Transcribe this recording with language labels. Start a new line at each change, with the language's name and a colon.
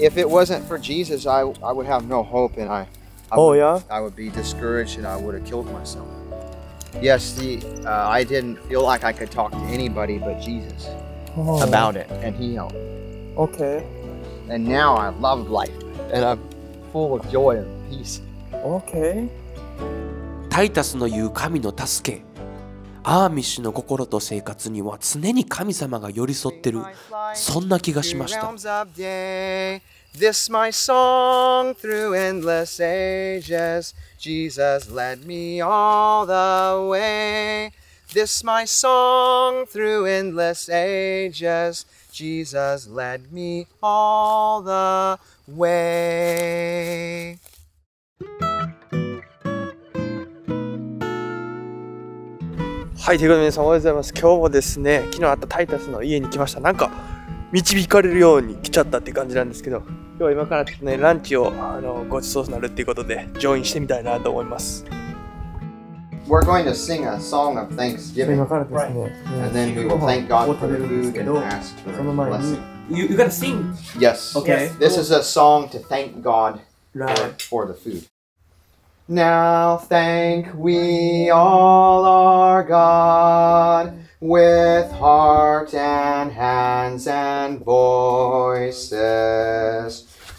English: If it wasn't for Jesus, I would have no hope, and I would be discouraged, and I would have killed myself. Yes, see, I didn't feel like I could talk to anybody but Jesus about it, and he helped. Okay. And now I love life, and I'm full of joy and peace. Okay.
Japanese: タイタスの言う神の助け、アーミッシュの心と生活には常に神様が寄り添ってる、そんな気がしました。
English: This my song through endless ages. Jesus led me all the way. This my song through endless ages. Jesus led me all the way.
Japanese: はい、ということで皆さん、おはようございます。今日もですね、昨日会ったタイタスの家に来ました。なんか導かれるように来ちゃったって感じなんですけど、今日は今からちょっとね、ランチをごちそうになるっていうことでジョインしてみたいなと思います。
English: We're going to sing a song of thanksgiving.
Japanese: 今からですね、right.
English: And then we will thank God for the food and ask for blessing. You gotta sing? Yes. Okay. This is a song to thank God for the foodNow thank we all our God with heart and hands and voices.